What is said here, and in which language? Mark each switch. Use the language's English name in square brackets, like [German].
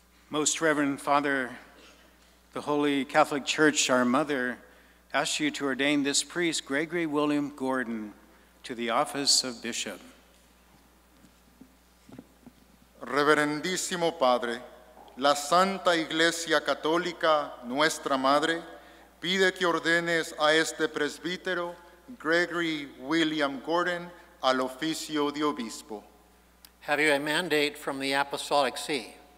[English] Most Reverend Father, the Holy Catholic Church, our mother, asks you to ordain this priest, Gregory William Gordon, to the office of bishop. [Spanish] Reverendísimo Padre, la Santa Iglesia Católica, nuestra madre, pide que ordenes a este presbítero, Gregory William Gordon, al oficio de obispo. [English] Have you a mandate from the Apostolic See?